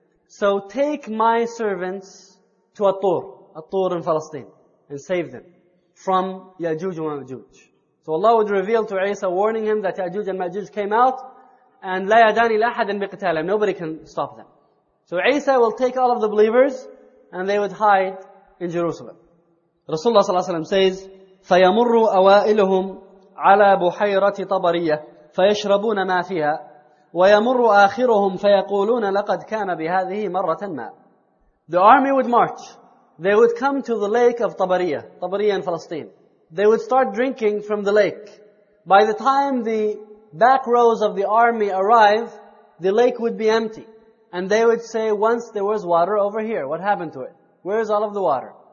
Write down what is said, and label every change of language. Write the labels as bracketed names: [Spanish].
[English] So take my servants to At-Tur in Palestine, and save them from Ya'juj and Ma'juj. So Allah would reveal to Isa, warning him that Ya'juj and Ma'juj came out, and [Arabic] لَا يَدَانِي لَأَحَدٍ بِقِتَالِهِمْ [English] Nobody can stop them. So Isa will take all of the believers, and they would hide in Jerusalem. [Arabic] Rasulullah صلى الله عليه وسلم says, فَيَمُرُّ أَوَائِلُهُمْ عَلَى بُحَيْرَةِ طَبَرِيَّةٍ فَيَشْرَبُونَ مَا فِيهَا وَيَمُرُّ آخِرُهُمْ فَيَقُولُونَ لَقَدْ كَانَ بِهَذِهِ مَرَّةً مَا [English] The army would march. They would come to the lake of Tabariya, Tabariya in Palestine. They would start drinking from the lake. By the time the back rows of the army arrive, the lake would be empty. And they would say, once there was water over here, what happened to it? Where is all of the water?